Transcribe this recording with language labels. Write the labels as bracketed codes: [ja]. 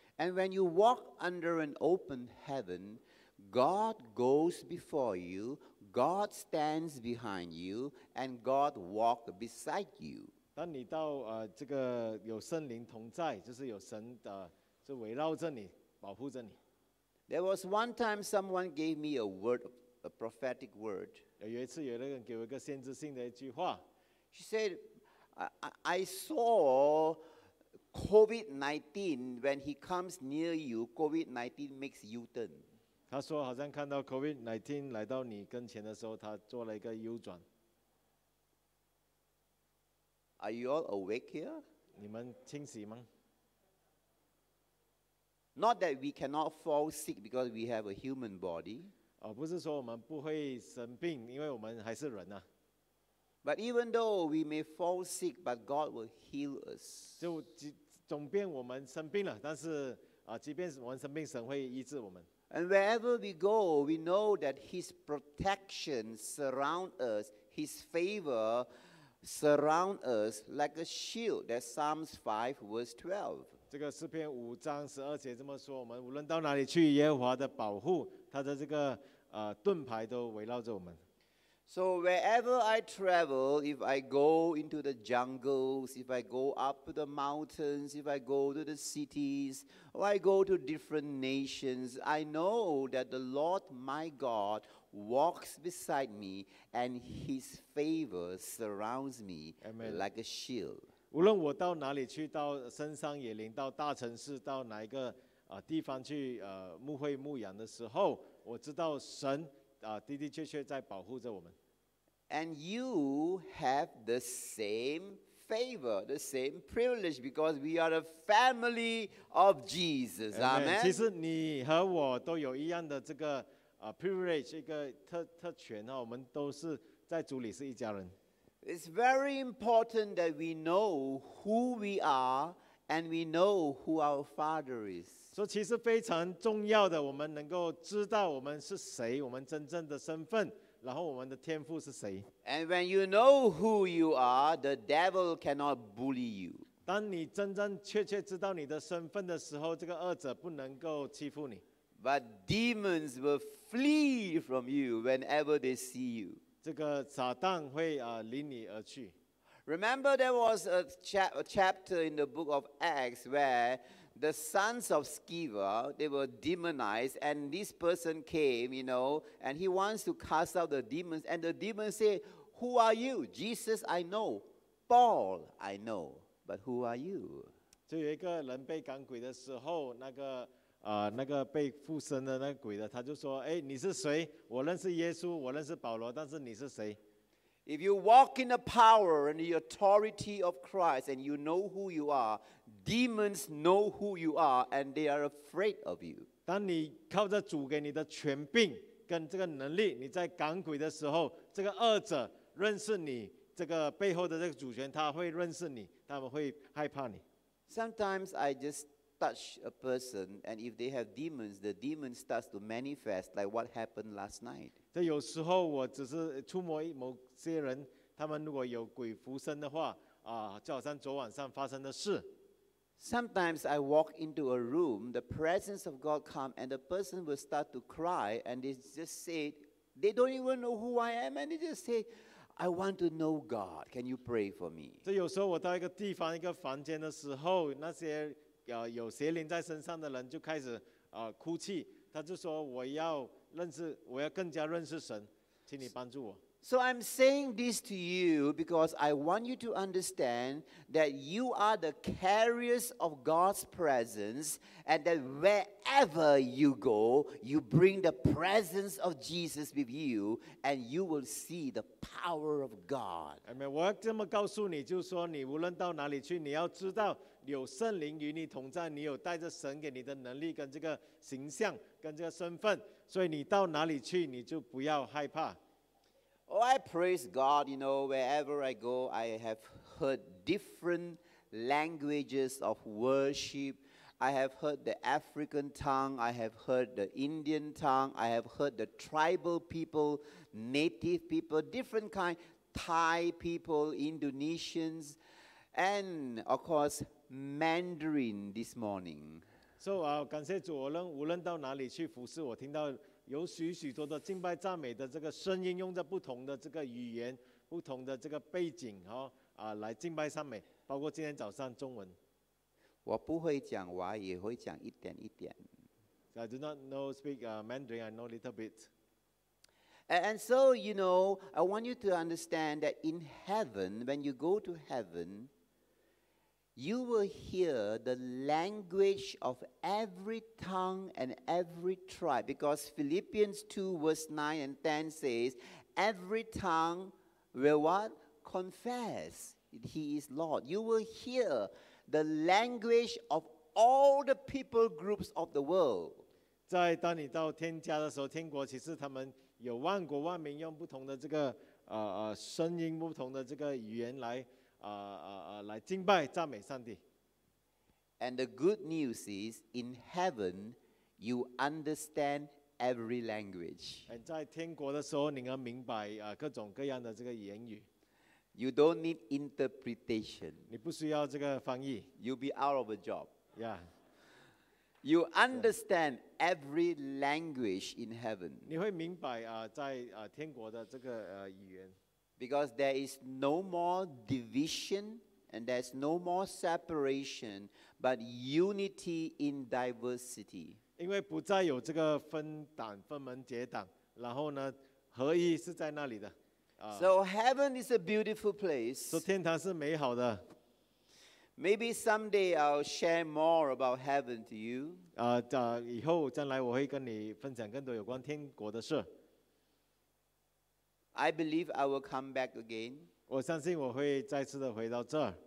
[en] And when you walk under an open heaven, God goes before you, God stands behind you, and God walks beside you. [zh] 当你到这个有圣灵同在，就是有神的，就围绕着你，保护着你。 [en] There was one time someone gave me a word, a prophetic word. [zh] 有一次有人给我一个限制性的一句话。 [en] She said, I saw COVID-19 when he comes near you, COVID-19 makes U-turn. [zh] 她说好像看到 COVID-19 来到你跟前的时候，她做了一个 U-转。 [en] Are you all awake here? [zh] 你们清醒吗？ [en] Not that we cannot fall sick because we have a human body. [zh] 不是说我们不会生病，因为我们还是人啊。 [en] But even though we may fall sick, but God will heal us. [zh] 就总变我们生病了，但是即便我们生病，神会医治我们。 [en] And wherever we go, we know that His protection surround us, His favor surround us like a shield. That Psalms 5 verse 12. [zh] 这个诗篇五章十二节这么说，我们无论到哪里去，耶和华的保护，他的这个盾牌都围绕着我们。 [en] So wherever I travel, if I go into the jungles, if I go up the mountains, if I go to the cities, or I go to different nations, I know that the Lord my God walks beside me and His favor surrounds me、 Amen. Like a shield. [zh] 无论我到哪里去，到深山野林，到大城市，到哪一个地方去牧会牧养的时候，我知道神的的确确在保护着我们。 [en] And you have the same favor, the same privilege, because we are the family of Jesus. Amen. [zh] 其实你和我都有一样的这个privilege, 一个特权我们都是在主里是一家人。 [en] It's very important that we know who we are and we know who our Father is. [zh] So, 其实非常重要的，我们能够知道我们是谁，我们真正的身份，然后我们的天父是谁。 [en] And when you know who you are, the devil cannot bully you. [zh] 当你真正确确知道你的身份的时候，这个恶者不能够欺负你。 [en] But demons will flee from you whenever they see you. [zh] 这个撒旦会离你而去。 [en] Remember, there was a chapter in the book of Acts where the sons of Sceva they were demonized, and this person came, you know, and he wants to cast out the demons, and the demons say, "Who are you, Jesus? I know, Paul, I know, but who are you?" [zh] 就有一个人被赶鬼的时候，那个被附身的那个鬼的，他就说：“哎，你是谁？我认识耶稣，我认识保罗，但是你是谁 [en] ？”If you walk in the power and the authority of Christ, and you know who you are, Demons know who you are and they are afraid of you. [zh] 当你靠着主给你的权柄跟这个能力，你在赶鬼的时候，这个恶者认识你，这个背后的这个主权，他会认识你，他们会害怕你。 [en] Sometimes I just touch a person, and if they have demons, the demon starts to manifest, like what happened last night. [zh] 这有时候我只是触摸某些人，他们如果有鬼附身的话，啊，就好像昨晚上发生的事。 [en] Sometimes I walk into a room, the presence of God come, and the person will start to cry, and they just say, they don't even know who I am, and they just say, I want to know God. Can you pray for me? [zh] 这有时候我到一个地方、一个房间的时候，那些有邪灵在身上的人就开始哭泣，他就说我要更加认识神，请你帮助我。 [en] So I'm saying this to you because I want you to understand that you are the carriers of God's presence, and that wherever you go, you bring the presence of Jesus with you, and you will see the power of God. I mean, [zh] 我要这么告诉你，就是说你无论到哪里去，你要知道有圣灵与你同在，你有带着神给你的能力跟这个形象跟这个身份，所以你到哪里去，你就不要害怕。 [en] Oh, I praise God, you know, wherever I go, I have heard different languages of worship. I have heard the African tongue, I have heard the Indian tongue, I have heard the tribal people, native people, different kind, Thai people, Indonesians, and of course, Mandarin this morning. [zh] So, 感谢主，无论到哪里去服事，我听到有许许多的敬拜赞美的这个声音，用着不同的这个语言、不同的这个背景，来敬拜赞美，包括今天早上中文。我不会讲华语，也会讲一点一点。 [en] I do not know speak Mandarin. I know a little bit. And so you know, I want you to understand that in heaven, when you go to heaven, you will hear the language of every tongue and every tribe. Because Philippians 2 verse 9 and 10 says, every tongue will what? Confess he is Lord. You will hear the language of all the people groups of the world. [zh] 在当你到天家的时候，天国其实他们有万国万民，用不同的这个声音，不同的这个语言来来敬拜赞美上帝。 [en] And the good news is, in heaven, you understand every language. [zh] And 在天国的时候，你能明白各种各样的这个言语。 [en] You don't need interpretation. [zh] 你不需要这个翻译。 [en] You'll be out of a job. Yeah. You understand every language in heaven. [zh] 你会明白在天国的这个语言。 [en] Because there is no more division and there's no more separation, but unity in diversity. [zh] 因为不再有这个分党、分门结党，然后呢，合一是在那里的。 [en] So heaven is a beautiful place. [zh] 说天堂是美好的。 [en] Maybe someday I'll share more about heaven to you. [zh] 以后将来我会跟你分享更多有关天国的事。 [en] I believe I will come back again. [zh] 我相信我会再次的回到这儿。